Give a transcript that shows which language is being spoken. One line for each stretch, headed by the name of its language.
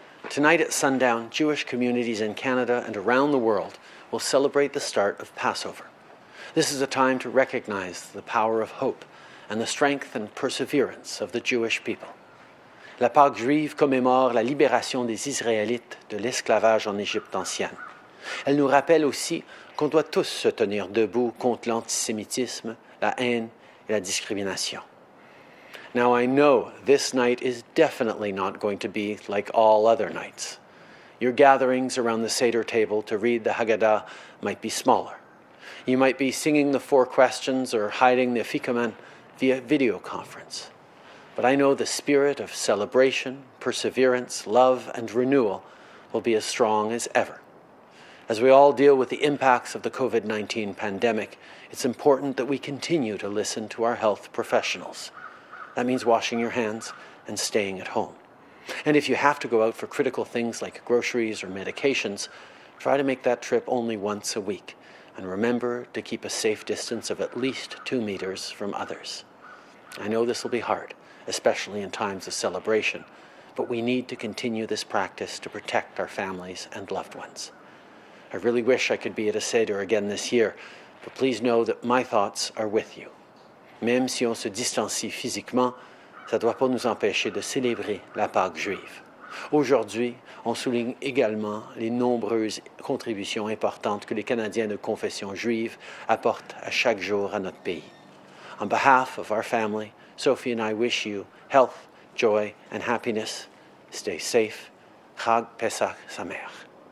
English: Tonight at sundown, Jewish communities in Canada and around the world will celebrate the start of Passover. This is a time to recognize the power of hope and the strength and perseverance of the Jewish people.
French: La Pâque juive commémore la libération des Israélites de l'esclavage en Égypte ancienne. Elle nous rappelle aussi qu'on doit tous se tenir debout contre l'antisémitisme, la haine et la discrimination.
English: Now I know this night is definitely not going to be like all other nights. Your gatherings around the Seder table to read the Haggadah might be smaller. You might be singing the four questions or hiding the afikoman via video conference. But I know the spirit of celebration, perseverance, love, and renewal will be as strong as ever. As we all deal with the impacts of the COVID-19 pandemic, it's important that we continue to listen to our health professionals. That means washing your hands and staying at home. And if you have to go out for critical things like groceries or medications, try to make that trip only once a week. And remember to keep a safe distance of at least 2 meters from others. I know this will be hard, especially in times of celebration, but we need to continue this practice to protect our families and loved ones. I really wish I could be at a Seder again this year, but please know that my thoughts are with you.
French: Même si on se distancie physiquement, ça ne doit pas nous empêcher de célébrer la Pâque juive. Aujourd'hui, on souligne également les nombreuses contributions importantes que les Canadiens de confession juive apportent à chaque jour à notre pays.
English: On behalf of our family, Sophie and I wish you health, joy and happiness. Stay safe.
Hebrew: Chag Pesach Sameach.